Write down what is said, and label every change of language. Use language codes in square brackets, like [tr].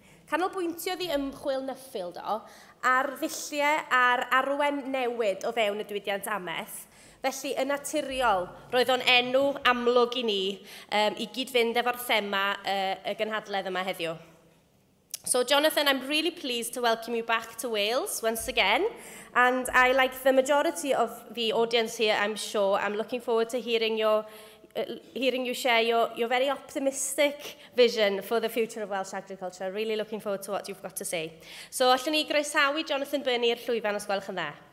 [cy] Canolbwyntiodd ei ymchwil Nuffield o ar ddulliau a'r arwen newid o fewn y diwydiant ameth, felly yn naturiol roedd o'n enw amlwg i ni i gyd-fynd efo'r thema y gynhadledd yma heddiw. [en] So Jonathan, I'm really pleased to welcome you back to Wales once again, and I, like the majority of the audience here, I'm sure, I'm looking forward to hearing you share your very optimistic vision for the future of Welsh agriculture. Really looking forward to what you've got to say. [cy] So allwn ni groesawu Jonathan Birnie i'r llwyfan os gwelwch yn dda.